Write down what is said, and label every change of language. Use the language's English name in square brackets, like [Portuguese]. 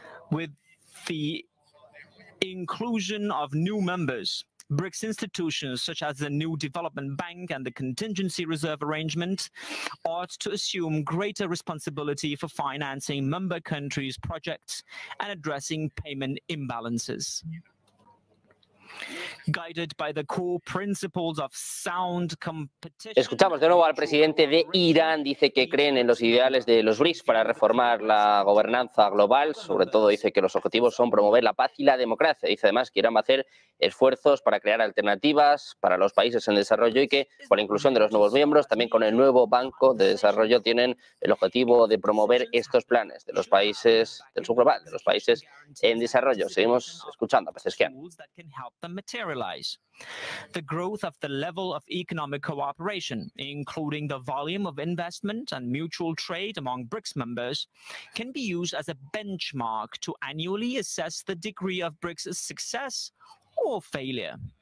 [English] With the inclusion of new members, BRICS institutions, such as the New Development Bank and the Contingency Reserve Arrangement, ought to assume greater responsibility for financing member countries' projects and addressing payment imbalances. Guided by the core principles of sound competition. [Spanish] Escuchamos de nuevo al presidente de Irán. Dice que creen en los ideales de los BRICS para reformar la gobernanza global. Sobre todo dice que los objetivos son promover la paz y la democracia. Dice además que Irán va a hacer esfuerzos para crear alternativas para los países en desarrollo y que con la inclusión de los nuevos miembros, también con el nuevo banco de desarrollo, tienen el objetivo de promover estos planes de los países del sur global, de los países en desarrollo. Seguimos escuchando a Pezeshkian. [English] Materialize the growth of the level of economic cooperation, including the volume of investment and mutual trade among BRICS members, can be used as a benchmark to annually assess the degree of BRICS' success or failure.